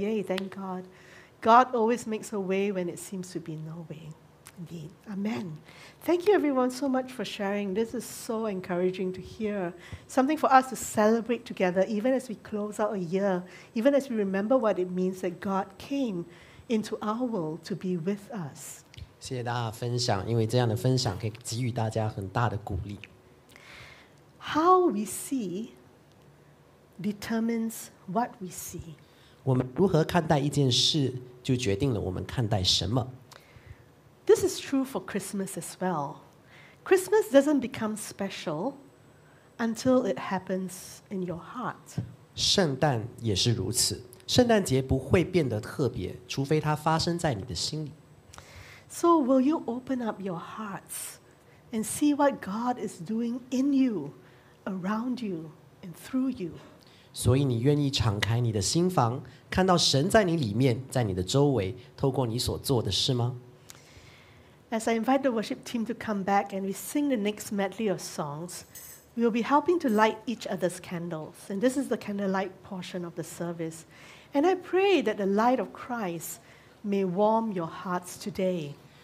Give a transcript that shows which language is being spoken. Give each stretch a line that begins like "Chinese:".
English: Yay, thank God. God always makes a way when it seems to be no way. Indeed. Amen. Thank you, everyone, so much for sharing. This is so encouraging to hear. Something for us to celebrate together, even as we close out a year, even as we remember what it means that God came into our world to be with us.
Chinese: 谢谢大家分享, 因为这样的分享可以给予大家很大的鼓励。
English: How we see determines what we see.
Chinese: 我们如何看待一件事, 就决定了我们看待什么。This
English: is true for Christmas as well. Christmas doesn't become special until it happens in your heart.
Chinese: 圣诞也是如此。圣诞节不会变得特别，除非它发生在你的心里。
English: So will you open up your hearts and see what God is doing in you, around you, and through you?
Chinese: 所以你愿意敞开你的心房，看到神在你里面，在你的周围，透过你所做的事吗？
English: As I invite the worship team to come back and we sing the next medley of songs, we will be helping to light each other's candles. And this is the candlelight portion of the service. And I pray that the light of Christ may warm your hearts today.